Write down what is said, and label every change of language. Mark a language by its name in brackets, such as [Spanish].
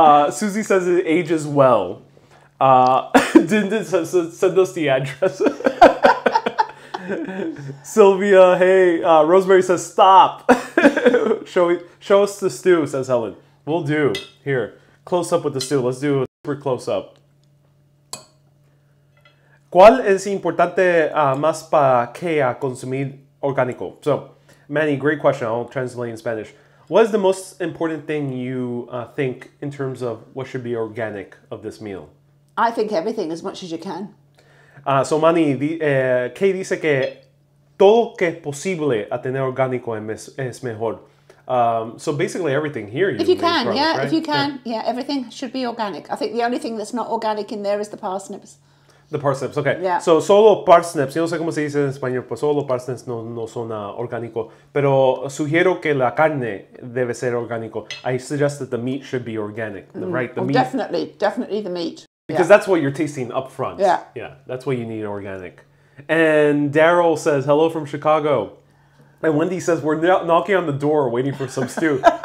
[English] Susie says it ages well. Dindin says send us the address. Sylvia, hey. Rosemary says stop. show us the stew, says Helen. We'll do. Here, close up with the stew. Let's do a super close up. [Spanish] ¿Cuál es importante más para que a consumir orgánico? [English] So, Manny, great question. I'll translate in Spanish. What is the most important thing you think in terms of what should be organic of this meal? I think everything, as much as you can. [Spanish] So, Manny, Kay dice que todo que es posible a tener orgánico es mejor. [English] So, basically, everything here. If you can, from, yeah. Right? If you can, yeah. Everything should be organic. I think the only thing that's not organic in there is the parsnips. The parsnips, okay. Yeah. [Spanish] So, solo parsnips. Yo no sé cómo se dice en español, pero solo parsnips no son orgánico. Pero sugiero que la carne debe ser orgánico. [English] I suggest that the meat should be organic, right? The meat. Definitely, definitely the meat. Because that's what you're tasting up front. Yeah. Yeah, that's what you need organic. And Daryl says, hello from Chicago. And Wendy says, we're knocking on the door waiting for some stew.